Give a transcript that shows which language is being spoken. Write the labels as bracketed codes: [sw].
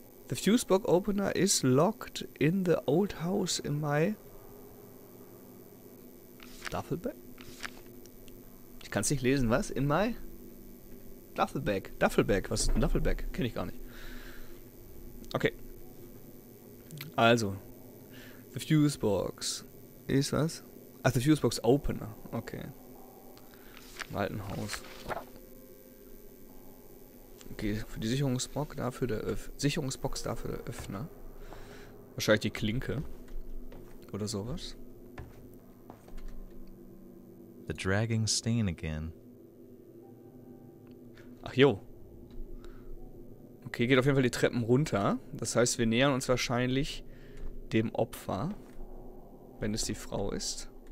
[en] The Fusebox Opener is locked in the old house in my Duffelbag? [de] Ich kann es nicht lesen, was? [en] In my Duffelbag. [de] Duffelbag. Was ist ein Duffelbag? Kenne ich gar nicht. Okay. Also. The Fusebox. Ist was? Ach, The Fusebox Opener. Okay. Im alten Haus. Okay, für die Sicherungsbox dafür der Öffner. Wahrscheinlich die Klinke. Oder sowas. [en] The dragging stain again. [de] Ach jo. Okay, geht auf jeden Fall die Treppen runter. Das heißt, wir nähern uns wahrscheinlich dem Opfer. Wenn es die Frau ist.